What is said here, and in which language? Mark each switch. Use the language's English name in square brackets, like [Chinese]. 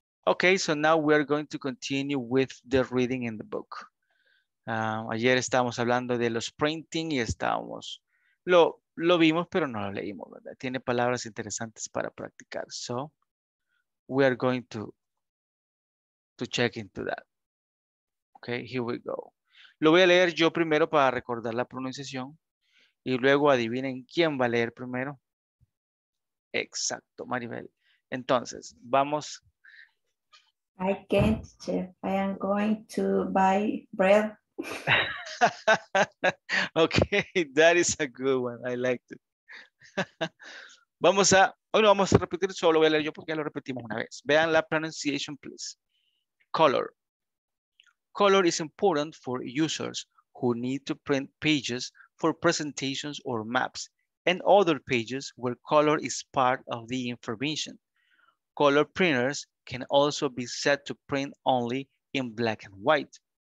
[English] Okay, so now we are going to continue with the reading in the book. [Spanish] Ayer estábamos hablando de los printing y estábamos, lo vimos, pero no lo leímos, ¿verdad? Tiene palabras interesantes para practicar. [English] So we are going to check into that. Okay, here we go. [Spanish] Lo voy a leer yo primero para recordar la pronunciación y luego adivinen quién va a leer primero. Exacto, Maribel. Entonces, vamos. [English] I can't, chef. I am going to buy bread. Okay, that is a good one. I liked it. [Spanish] vamos a repetir. Solo voy a leer yo porque ya lo repetimos una vez. Vean la [English] pronunciation, please. Color. Color is important for users who need to print pages for presentations or maps and other pages where color is part of the information. Color printers can also be set to print only in black and white.